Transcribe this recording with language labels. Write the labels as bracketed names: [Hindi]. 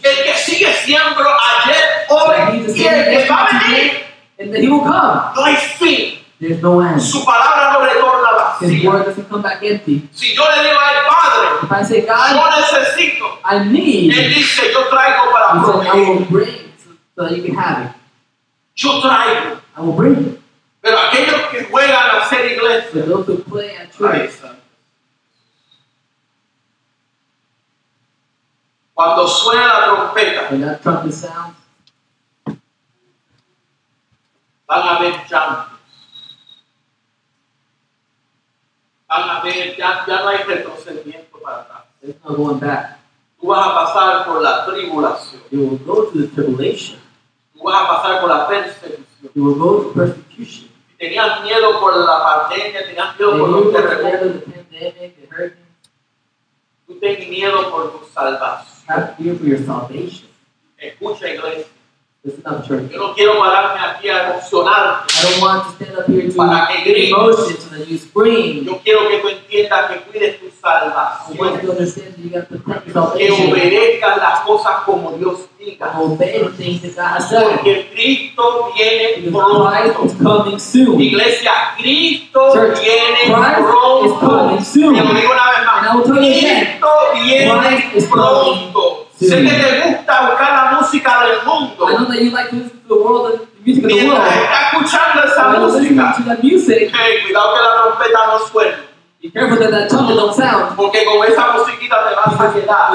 [Spanish] El que sigue siempre ayer, hoy, y el que va a venir. [English] And then he will come. [Spanish] No hay fin. [English] There's no end. [Spanish] Su palabra no retorna vacía. [English] His word doesn't come back empty. [Spanish] Si yo le digo al Padre, [English] if I say, God, [Spanish] yo necesito, [English] I need. [Spanish] Él dice, yo traigo para [English] he said, I will bring so that you can have it. [Spanish] Yo traigo. [English] I will bring it. [Spanish] Pero aquellos que juegan a ser iglesia. [English] But those who play at church. Right. [Spanish] Cuando suena la trompeta, [English] when that trumpet sounds, [Spanish] van a ver llantos. Van a ver, ya no hay retrocedimiento para atrás. [English] There's no going back. [Spanish] Tú vas a pasar por la tribulación. [English] You will go through the tribulation. [Spanish] Tú vas a pasar por la persecución. [English] You will go through persecution. [Spanish] Si tenías miedo por la pandemia, tenías miedo por los terremotos. [English] The pandemic, the hurricane. [Spanish] Tú tenías miedo por tu salvación. [English] Have fear for your salvation. [Spanish] Escucha, iglesia. [English] Listen up, church. [Spanish] Yo no quiero pararme aquí a emocionarte. [English] I don't want to stand up here to emotion so that you scream. [Spanish] Yo quiero que tú entiendas que cuides tu salvación. [English] I want you to understand that you got to protect your salvation. [Spanish] Que obedezcas las cosas como Dios diga. [English] Obey the things that God has [Spanish] said. Porque Cristo viene pronto. [English] Christ is coming soon. [Spanish] Iglesia, Cristo [English] church, [Spanish] viene [English] Christ [Spanish] pronto. [English] Is coming soon. [Spanish] Y lo digo una vez más. [English] And I will tell you again. [Spanish] Pronto. Sé que te gusta buscar la música del mundo. [English] I know that you like to listen to the world, the music of the world. [Spanish] Escuchando esa música. [English] Listening to that music. [Spanish] Hey, cuidado que la trompeta no suene. [English] Be Be careful that that trumpet don't sound. [Spanish] Porque con esa musiquita te vas a quedar.